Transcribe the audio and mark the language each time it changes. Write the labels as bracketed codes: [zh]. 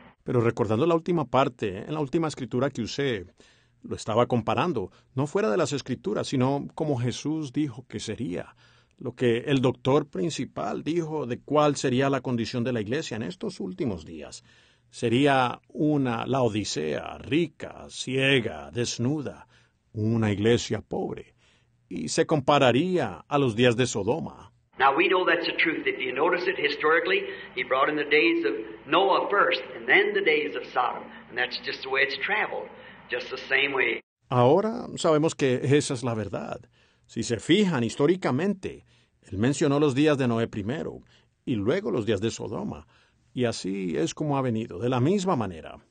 [es] Pero recordando la última parte, en la última escritura que usé, lo estaba comparando, no fuera de las escrituras, sino como Jesús dijo que sería, lo que el doctor principal dijo de cuál sería la condición de la iglesia en estos últimos días. Sería una Laodicea, rica, ciega, desnuda, una iglesia pobre, y se compararía a los días de Sodoma. [en] Now, we know that's the truth. If you notice it historically, he brought in the days of Noah first, and then the days of Sodom. And that's just the way it's traveled, just the same way. [es] Ahora sabemos que esa es la verdad. Si se fijan históricamente, él mencionó los días de Noé primero, y luego los días de Sodoma. Y así es como ha venido, de la misma manera.